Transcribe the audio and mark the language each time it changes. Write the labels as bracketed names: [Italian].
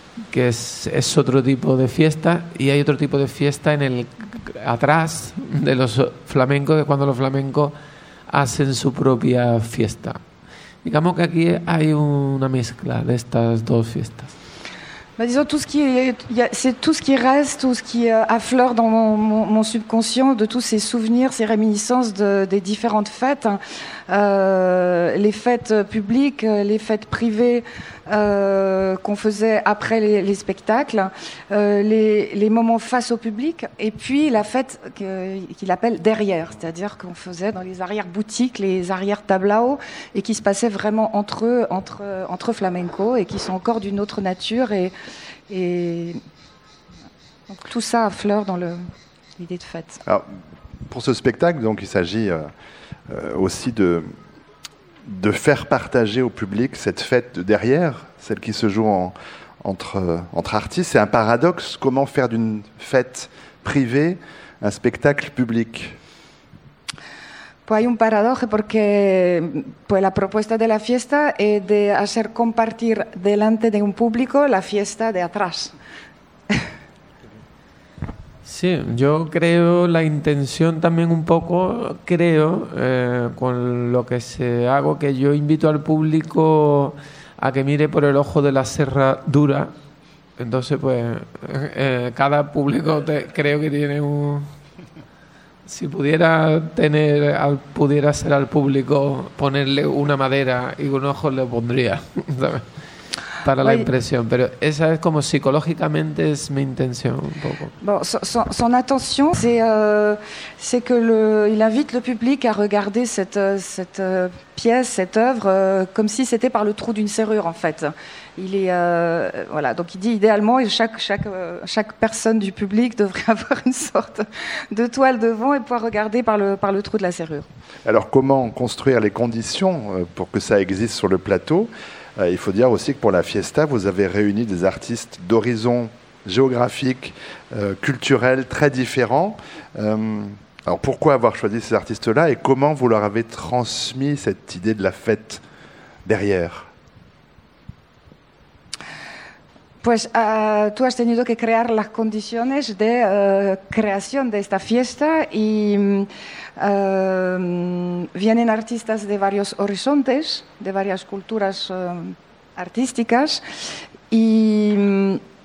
[Spanish] Que es otro tipo de fiesta, y hay otro tipo de fiesta en el atrás de los flamencos, que cuando los flamencos hacen su propia fiesta. Digamos que aquí hay una mezcla de estas dos fiestas. [French] Bah, disons, tout ce qui reste, tout ce qui affleure dans mon subconscient, de tous ces souvenirs, ces réminiscences des différentes fêtes, les fêtes publiques, les fêtes privées qu'on faisait après les spectacles, les moments face au public, et puis la fête qu'il appelle derrière, c'est-à-dire qu'on faisait dans les arrière-boutiques, les arrière-tablao, et qui se passait vraiment entre flamenco, et qui sont encore d'une autre nature, et donc, tout ça affleure dans l'idée de fête. Alors, pour ce spectacle, donc, il s'agit aussi de faire partager au public cette fête de derrière, celle qui se joue entre artistes. C'est un paradoxe. Comment faire d'une fête privée un spectacle public ? [Spanish] Pues hay un paradoje porque pues la propuesta de la fiesta es de hacer compartir delante de un público la fiesta de atrás. Sí, yo creo la intención también un poco, creo, con lo que se hago, que yo invito al público a que mire por el ojo de la cerradura. Entonces, pues, cada público creo que tiene un... Si pudiera pudiera hacer al público ponerle una madera y un ojo, le pondría, ¿sabes? Para la impresión. Pero esa es como psicológicamente es mi intención un poco. [French] Bon, son intention, c'est que il invite le public à regarder cette pièce, cette œuvre, comme si c'était par le trou d'une serrure, en fait. Il est voilà, donc il dit idéalement chaque personne du public devrait avoir une sorte de toile devant et pouvoir regarder par le trou de la serrure. Alors comment construire les conditions pour que ça existe sur le plateau ? Il faut dire aussi que pour la fiesta, vous avez réuni des artistes d'horizons géographiques, culturels très différents. Alors pourquoi avoir choisi ces artistes-là et comment vous leur avez transmis cette idée de la fête derrière ? [Spanish] Pues tú has tenido que crear las condiciones de creación de esta fiesta y vienen artistas de varios horizontes, de varias culturas artísticas y